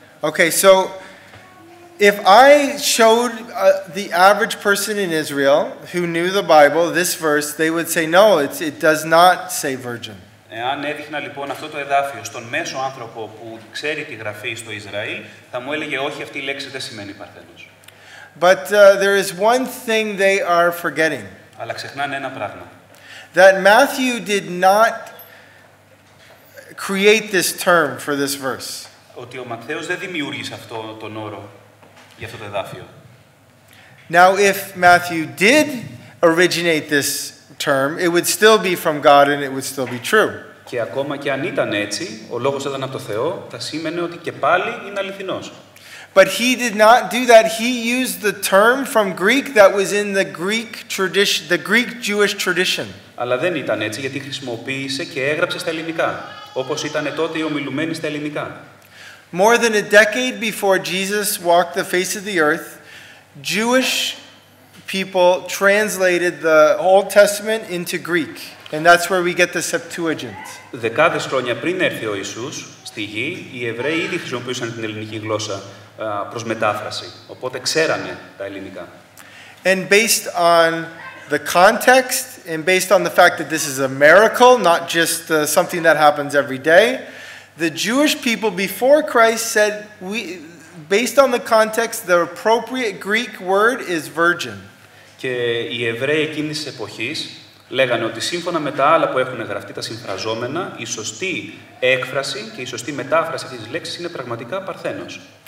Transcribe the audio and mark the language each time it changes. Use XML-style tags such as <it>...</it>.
<en>Okay, so if I showed the average person in Israel who knew the Bible this verse, they would say, "No, it does not say virgin."</en> <el>Εάν έδειχνα λοιπόν αυτό το εδάφιο στον μέσο άνθρωπο που ξέρει τη γραφή στο Ισραήλ, θα μου έλεγε όχι, αυτή η λέξη δεν σημαίνει παρθένος.</el> <en>But there is one thing they are forgetting.</en> <el>Αλλά ξεχνάνε ένα πράγμα.</el> <en>That Matthew did not create this term for this verse.</en> <el>Ότι ο Ματθαίος δεν δημιούργησε αυτό τον όρο για αυτό το εδάφιο.</el> <en>Now if Matthew did originate this term, it would still be from God and it would still be true.</en> <el>Και ακόμα και αν ήταν έτσι, ο λόγος ήταν από το Θεό, θα σήμαινε ότι και πάλι είναι αληθινός.</el> <en>But he did not do that. He used the term from Greek that was in the Greek tradition, the Greek Jewish tradition.</en> <el>Αλλά δεν ήταν έτσι, γιατί χρησιμοποίησε και έγραψε στα ελληνικά, όπως ήταν τότε οι ομιλουμένοι στα ελληνικά.</el> <en>More than a decade before Jesus walked the face of the earth, Jewish people translated the Old Testament into Greek, and that's where we get the Septuagint.</en> <el>Δεκάδες χρόνια πριν έρθει ο Ιησούς στη γη, οι Εβραίοι ήδη χρησιμοποιούσαν την ελληνική γλώσσα προς μετάφραση, οπότε ξέρανε τα ελληνικά.</el> <en>And based on the context and based on the fact that this is a miracle, not just something that happens every day, the Jewish people before Christ said, based on the context, the appropriate Greek word is virgin.</en> <el>Και οι Εβραίοι εκείνης της εποχής λέγανε ότι σύμφωνα με τα άλλα που έχουν γραφτεί τα συμφραζόμενα, η σωστή έκφραση και η σωστή μετάφραση αυτής της λέξης είναι πραγματικά παρθένος.</el>